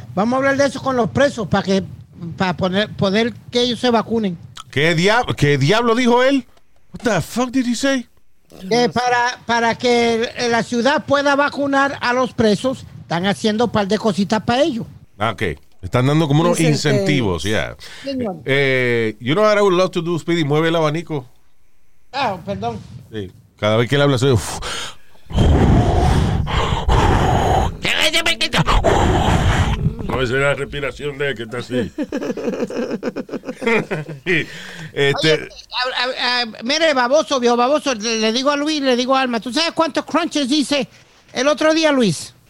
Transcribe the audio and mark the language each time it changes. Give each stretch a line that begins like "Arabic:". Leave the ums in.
Spanish: Vamos a hablar de eso con los presos para que para poner, poder que ellos se vacunen. ¿Qué, dia- ¿Qué diablo dijo él?
English: What the fuck did he say?
Spanish: Que para, para que el- la ciudad pueda vacunar a los presos, están haciendo un par de cositas para ellos. Ah, ok. Están dando como unos Incentivos. incentivos, ya. Señor.
English: Eh, you know what I would love to do, Speedy?
Spanish: Mueve el abanico. Ah, perdón. Sí. Cada vez que él habla, soy... uf. No, esa es la respiración de él que está así. Este- Ah, ah, ah, mire, baboso, viejo baboso, le, le digo a Luis, le digo a Alma, ¿tú sabes cuántos crunches hice el otro día, Luis?